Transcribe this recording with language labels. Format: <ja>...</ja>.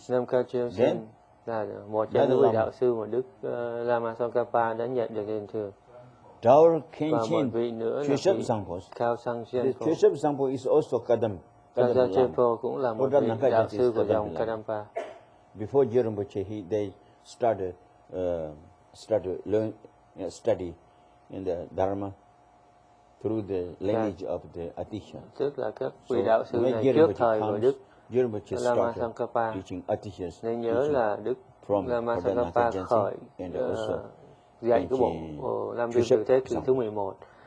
<vi>Nam Ca Chiêu Sư là một trong những vị đạo sư mà Đức Lama Tsongkhapa đã nhận được truyền thừa. Đào Khen Chiên. Và một vị nữa là vị Cao Sang Chiên Phổ.</vi> <en>Chiêu Sư Sang Phổ is also Kadam.</en> <vi>Cao Sang Chiên Phổ cũng là một vị đạo sư của dòng Kadampa.</vi> <en>Before Jirambuche, they started to study in the Dharma through the lineage of the Atisha.</en> <vi>Tức là các vị đạo sư này trước thời của Đức Lama Tsongkhapa. Nên nhớ là Đức Lama Tsongkhapa khởi dạy cái bộ Lam Vinh Tự Thế kỳ thứ 11.</vi>